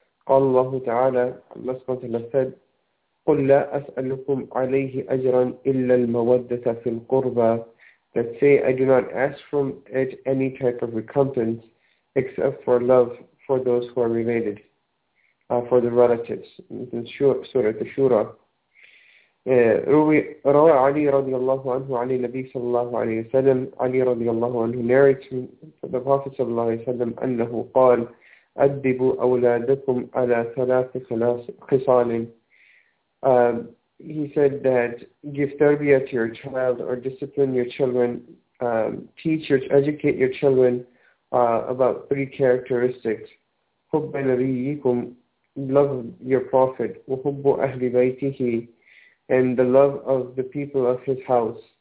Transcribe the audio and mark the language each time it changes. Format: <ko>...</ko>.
<ar>قال الله تعالى,</ar> <en>Allah سبحانه وتعالى said,</en> <ar>قل لا أسألكم عليه أجرا إلا المودة في القربة.</ar> <en>That say, I do not ask from it any type of recompense except for love for those who are related, for the relatives. In Surah Ash-Shura.</en> <ar>روى علي رضي الله عنه عن النبي صلى الله عليه وسلم علي رضي الله عنه</ar> <en>narrates from the Prophet</en> <ar>صلى الله عليه وسلم أنه قال أدبوا أولادكم على ثلاث خصال.</ar> <en>He said that give tarbiyah to your child, or discipline your children, teach your, educate your children about three characteristics.</en> <ar>حب نبيكم,</ar> <en>love your Prophet.</en> <ar>وحب أهل بيته,</ar> <en>and the love of the people of his house.</en>